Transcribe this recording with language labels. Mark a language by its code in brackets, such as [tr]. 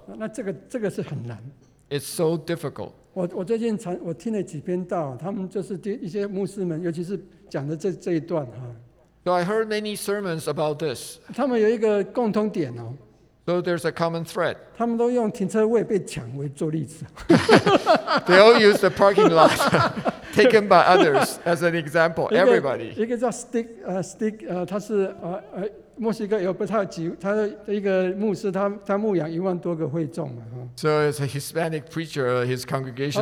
[zh] 那这个这个是很难。 [en] It's so difficult. [zh] 我最近常我听了几篇道，他们就是一些牧师们，尤其是讲的这一段哈。 [en] So I heard many sermons about this. [zh] 他们有一个共通点哦。 [en] So there's a common thread. [zh] 他们都用停车位被抢为做例子。 [en] They all use the parking lot taken by others as an example. Everybody. [zh] 一个叫 Stick 他是墨西哥有不太几，他的一个牧师，他牧养一万多个会众嘛，哈。 [en] So it's a Hispanic preacher, his congregation over